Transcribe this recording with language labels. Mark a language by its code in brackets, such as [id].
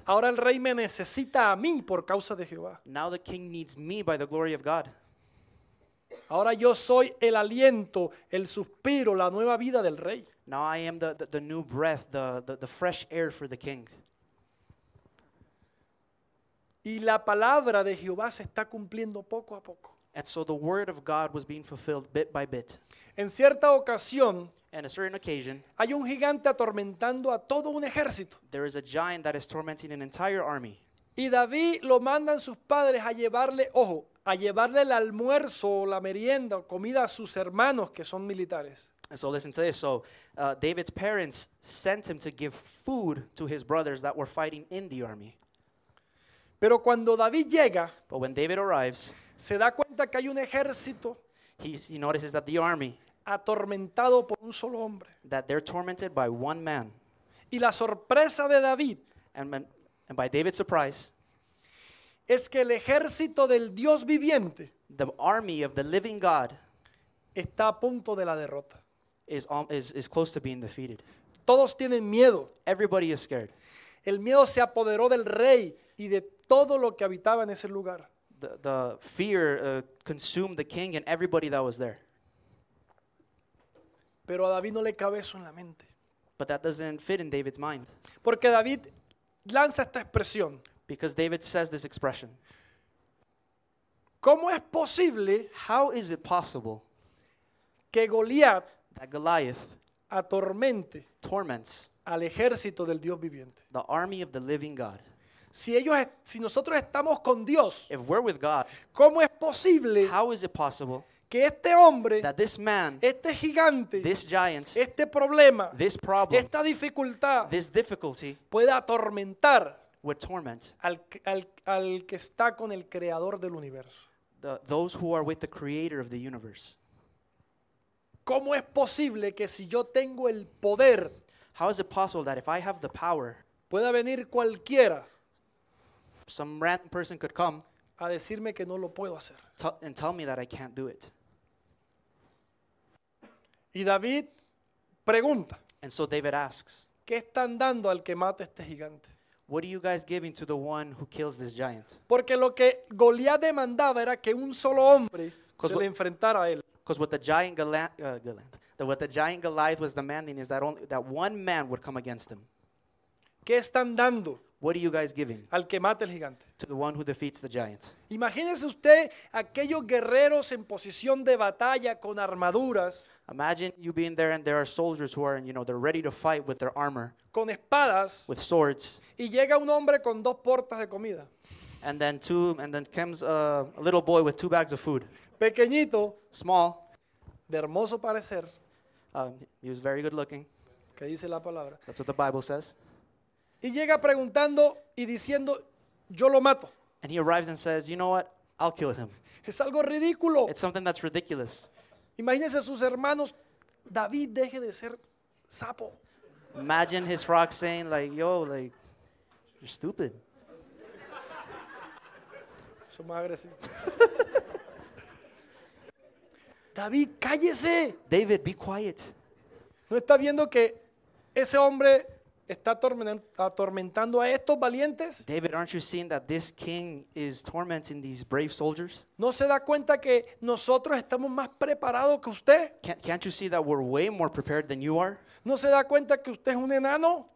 [es] Ahora el rey me necesita a mí por causa de Jehová. [en] Now the king needs me by the glory of God. [es] Ahora yo soy el aliento, el suspiro, la nueva vida del rey. [en] Now I am the new breath, the fresh air for the king. [es] Y la palabra de Jehová se está cumpliendo poco a poco. [en] And so the word of God was being fulfilled bit by bit. [es] En cierta ocasión, [en] in a certain occasion, [es] hay un gigante atormentando a todo un ejército. [en] There is a giant that is tormenting an entire army. [es] Y David lo mandan sus padres a llevarle, ojo, a llevarle el almuerzo, la merienda, o comida a sus hermanos que son militares. [en] And so listen to this. So David's parents sent him to give food to his brothers that were fighting in the army. [es] Pero cuando David llega, [en] but when David arrives, [es] se da cuenta que hay un ejército. [en] He notices that the army. [es] Atormentado por un solo hombre. [en] That they're tormented by one man. [es] Y la sorpresa de David. [en] And by David's surprise. [es] Es que el ejército del Dios viviente. [en] The army of the living God. [es] Está a punto de la derrota. [en] Is close to being defeated. [es] Todos tienen miedo. [en] Everybody is scared. [es] El miedo se apoderó del rey y de todo lo que habitaba en ese lugar. [en] The fear consumed the king and everybody that was there. [es] Pero a David no le cabe eso en la mente. [en] But that doesn't fit in David's mind. [es] Porque David lanza esta expresión. [en] Because David says this expression. [es] ¿Cómo es posible? [en] How is it possible? [es] Que Goliat, [en] that Goliath, [es] atormente, [en] torments, [es] al ejército del Dios viviente. [en] The army of the living God. [es] Si nosotros estamos con Dios. [en] If we're with God. [es] ¿Cómo es posible? [en] How is it possible? [es] Que este hombre, [en] that this man, [es] este gigante, [en] this giant, [es] este problema, [en] this problem, [es] esta dificultad, [en] this difficulty, [es] pueda atormentar, [en] would torment, [es] al que está con el creador del universo. [en] Those who are with the creator of the universe. [es] ¿Cómo es posible que si yo tengo el poder, [en] how is it possible that if I have the power, [es] pueda venir cualquiera, [en] some random person could come, [es] a decirme que no lo puedo hacer. [en] And tell me that I can't do it. [es] Y David pregunta. [en] And so David asks. [es] ¿Qué están dando al que mata este gigante? [en] What are you guys giving to the one who kills this giant? [es] Porque lo que Goliat demandaba era que un solo hombre se le enfrentara a él. [en] Because what the giant Goliath was demanding is that only that one man would come against him. [es] ¿Qué están dando? [en] What are you guys giving? [es] Al que mate el gigante. [en] To the one who defeats the giant. [es] Imagínese usted aquellos guerreros en posición de batalla con armaduras. [en] Imagine you being there and there are soldiers who are, they're ready to fight with their armor. [es] Con espadas. [en] With swords. [es] Y llega un hombre con dos portas de comida. [en] And then comes a little boy with two bags of food. [es] Pequeñito. [en] Small. [es] De hermoso parecer. [en] He was very good looking. [es] ¿Qué dice la palabra? [en] That's what the Bible says. [es] Y llega preguntando y diciendo, yo lo mato. [en] And he arrives and says, you know what? I'll kill him. [es] Es algo ridículo. [en] It's something that's ridiculous. [es] Imagínese sus hermanos, David deje de ser sapo. [en] Imagine his frog saying like, yo, like, you're stupid. [es] Eso más agresivo. David, cállese. [en] David, be quiet. [es] ¿No está viendo que ese hombre está atormentando a estos valientes? [en] David, aren't you seeing that this king is tormenting these brave soldiers? [es] ¿No se da cuenta que nosotros estamos más preparados que usted? [en] Can't you see that we're way more prepared than you are? [es] ¿No se da cuenta que usted es un enano?